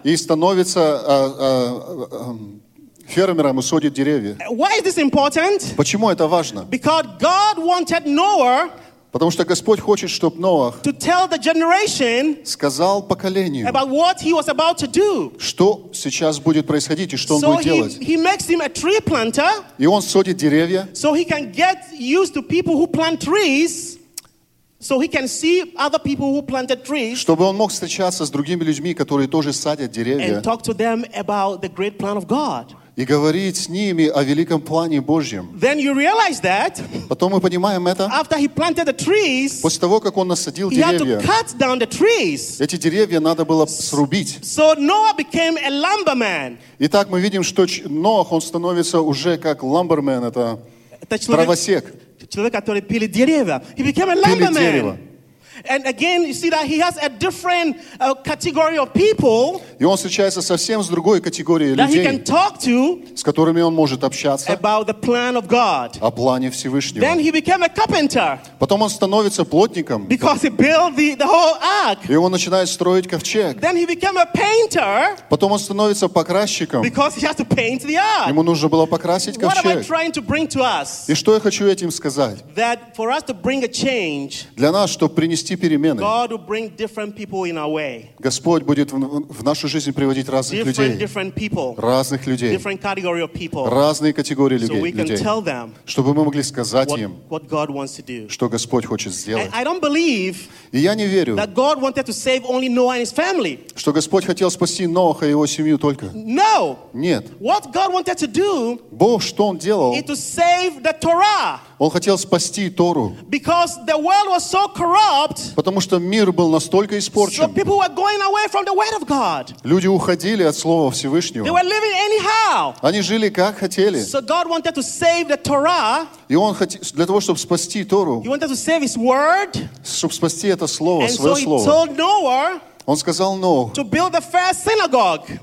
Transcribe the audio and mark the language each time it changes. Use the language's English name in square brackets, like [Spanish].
[Russian] И становится фермером и садит деревья. [English] Why is this important? [Russian] Почему это важно? [English] Because God wanted Noah. [Russian] Потому что Господь хочет, чтобы Ноах [English] to tell the generation [Russian] сказал поколению [English] about what he was about to do. [Russian] Что сейчас будет происходить и что [English] so [Russian] он будет делать. [English] He makes him a tree planter, [Russian] и он садит деревья, [English] so he can get used to people who plant trees, so he can see other people who planted trees, [Russian] чтобы он мог встречаться с другими людьми, которые тоже садят деревья, [English] and talk to them about the great plan of God. [Russian] И говорить с ними о великом плане Божьем. [English] Then you realize that, [Russian] потом мы понимаем это. [English] After he planted the trees, [Russian] после того, как он насадил [English] he [Russian] деревья, [English] had to cut down the trees. [Russian] Эти деревья надо было срубить. [English] So Noah became a lumberman. [Russian] Итак, мы видим, что Ноах, он становится уже как ламбермен, это человек, травосек. Человек, который пилит деревья. [English] He became a lumberman. And again, you see that he has a different category of people. [Russian] И он встречается совсем с другой категорией людей. [English] That he can talk to. [Russian] С которыми он может общаться. [English] About the plan of God. [Russian] О плане Всевышнего. [English] Then he became a carpenter. [Russian] Потом он становится плотником. [English] Because he built the whole ark. [Russian] И он начинает строить ковчег. [English] Then he became a painter. [Russian] Потом он становится покрасчиком. [English] Because he has to paint the ark. [Russian] Ему нужно было покрасить ковчег. [English] What am I trying to bring to us? [Russian] И что я хочу этим сказать? [English] That for us to bring a change. [Russian] Для нас, чтобы принести перемены. [English] God will bring different people in our way. [Russian] Господь будет в нашу жизнь приводить разных людей. [English] Different people. [Russian] Разных людей. [English] Different category of people. [Russian] Разные категории людей. [English] So we can [Russian] людей, [English] tell them [Russian] чтобы мы могли сказать [English] what, [Russian] им, [English] what God wants to do. [Russian] Что Господь хочет сделать. [English] I don't believe [Russian] и я не верю, [English] that God wanted to save only Noah and his family. [Russian] Что Господь хотел спасти Ноаха и его семью только. [English] No. [Russian] Нет. [English] What God wanted to do, [Russian] Бог, что Он делал, [English] is to save the Torah. [Russian] Он хотел спасти Тору. [English] Because the world was so corrupt, [Russian] потому что мир был настолько испорчен. [English] So people were going away from the word of God. [Russian] Люди уходили от Слова Всевышнего. [English] They were living anyhow. [Russian] Они жили как хотели. [English] So God wanted to save the Torah, [Russian] и Он хотел, для того, чтобы спасти Тору, [English] he wanted to save his word, [Russian] чтобы спасти это Слово, [English] and [Russian] свое [English] so he [Russian] Слово. [English] Told Noah, [Russian] он сказал Ноаху, [English] to build the first synagogue.